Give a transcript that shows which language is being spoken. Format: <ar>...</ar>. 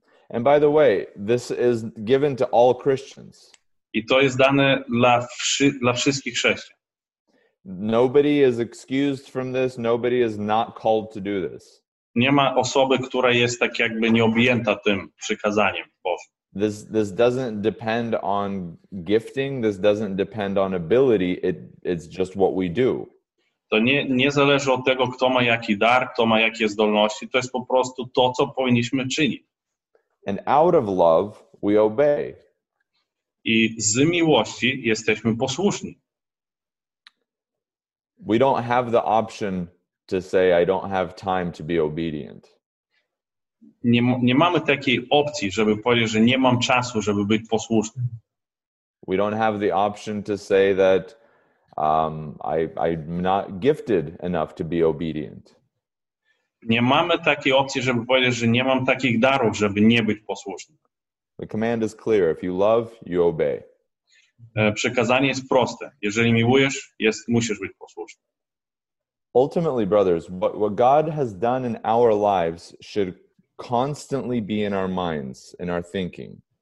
<en>And by the way, this is given to all Christians.</en> <pl>I to jest dane dla wszystkich chrześcijan.</pl> <en>Nobody is excused from this, nobody is not called to do this.</en> <pl>Nie ma osoby, która jest tak jakby nieobjęta tym przykazaniem Bożym.</pl> <en>This doesn't depend on gifting, this doesn't depend on ability, it's just what we do.</en> <pl>To nie zależy od tego, kto ma jaki dar, kto ma jakie zdolności, to jest po prostu to, co powinniśmy czynić.</pl> <en>And out of love, we obey.</en> <pl>I z miłości jesteśmy posłuszni.</pl> <en>We don't have the option to say, I don't have time to be obedient.</en> <pl>Nie mamy takiej opcji, żeby powiedzieć, że nie mam czasu, żeby być posłusznym.</pl> <en>We don't have the option to say that I'm not gifted enough to be obedient.</en> <pl>Nie mamy takiej opcji, żeby powiedzieć, że nie mam takich darów, żeby nie być posłusznym.</pl> <en>The command is clear. If you love, you obey.</en> <pl>Przekazanie jest proste. Jeżeli miłujesz, musisz być posłuszny.</pl> <en>Ultimately, brothers, what God has done in our lives should constantly be in our minds, in our thinking.</en>